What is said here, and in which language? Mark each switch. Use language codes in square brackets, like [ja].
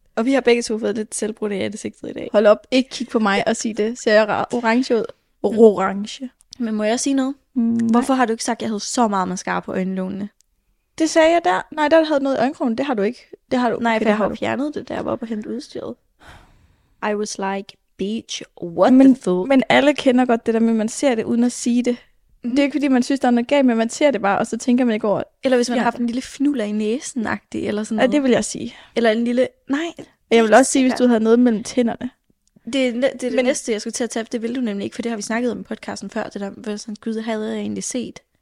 [da] Og vi har begge to fået lidt selvbrud i ansigtet i dag. Hold op, ikke kig på mig og sig det. Ser jeg orange ud? Orange. Men må jeg sige noget? Hvorfor har du ikke sagt, at jeg havde så meget mascara på øjenlågene? Det sagde jeg der. Nej, der havde noget i øjenkrogen. Det har du ikke. Det har du. Nej, for det jeg har fjernet det, der var på hentet udstyret. [en] I was like, bitch, what the fuck? [da] Men alle kender godt det der med, man ser det uden at sige det. Det er ikke, fordi man synes, der er noget galt, men man ser det bare, og så tænker man ikke over... Eller hvis man har haft en lille fnuller i næsen-agtig, eller sådan noget. Ja, det vil jeg sige. Eller en lille... Nej. Jeg vil også sige, hvis du havde noget mellem tænderne. Det næste, jeg skulle til at tage, det ville du nemlig ikke, for det har vi snakket om i podcasten før, det der, hvad sådan, gud, havde jeg egentlig set.